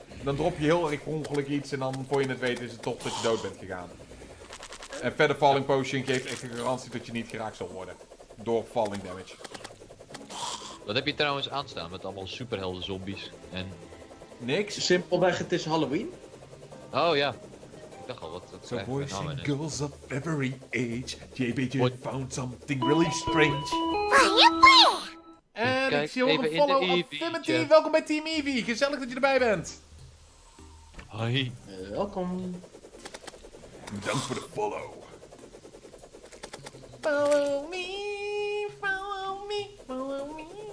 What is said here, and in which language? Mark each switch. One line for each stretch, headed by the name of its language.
Dutch: En dan drop je heel erg per ongeluk iets en dan voor je het weet is het toch dat je dood bent gegaan. En verder falling potion geeft echt een garantie dat je niet geraakt zal worden door falling damage. Wat heb je trouwens aanstaan met allemaal superhelden zombies en... Niks. Simpelweg het is Halloween. Oh ja. Wat
English: so boys and girls of every age, JBJ found something really strange.
Dutch: En ik zie een follow Affinity. Welkom bij Team Eevee. Gezellig dat je erbij bent. Hoi. Welkom. Dank voor de follow.
English: Follow me, follow me, follow me.